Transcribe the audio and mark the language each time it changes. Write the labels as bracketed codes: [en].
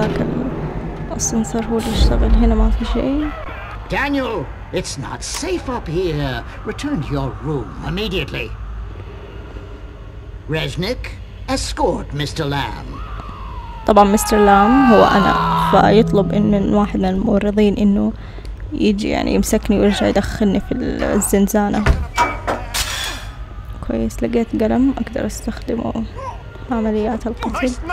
[ar] هذاك السنسار هو اللي يشتغل هنا. ما في شيء. [en] Daniel, it's not safe up here. Return to your room immediately. Resnick, escort Mr. Lam. [ar] طبعا مستر لام هو انا, فيطلب ان من واحد من الممرضين انه يجي يعني يمسكني ويرجع يدخلني في الزنزانة. كويس, لقيت قلم اقدر استخدمه في عمليات القتل.